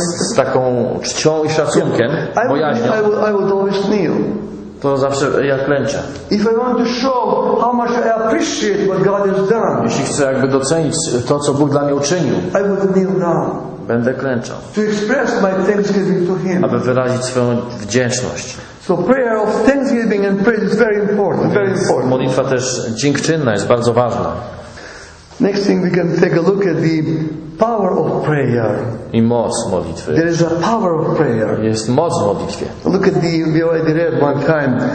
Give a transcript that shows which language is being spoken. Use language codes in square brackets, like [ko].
[pl] Z taką czcią i szacunkiem, bojaźnią. [en] I would always kneel. [pl] To zawsze ja klęczę. [en] If I want to show how much I appreciate what God has done. [pl] Jeśli chcę jakby docenić to, co Bóg dla mnie uczynił. [en] I would kneel down. [pl] Będę klęczał. [en] To express my thanksgiving to Him. [pl] Aby wyrazić swoją wdzięczność. [en] So prayer of thanksgiving and praise is very important. Very important. [pl] Modlitwa też dziękczynna jest bardzo ważna. [en] Next thing we can take a look at the power of prayer. [pl] I moc modlitwy. [en] There is a power of prayer. [pl] Jest moc w modlitwie. [en] Look at the we already read one time.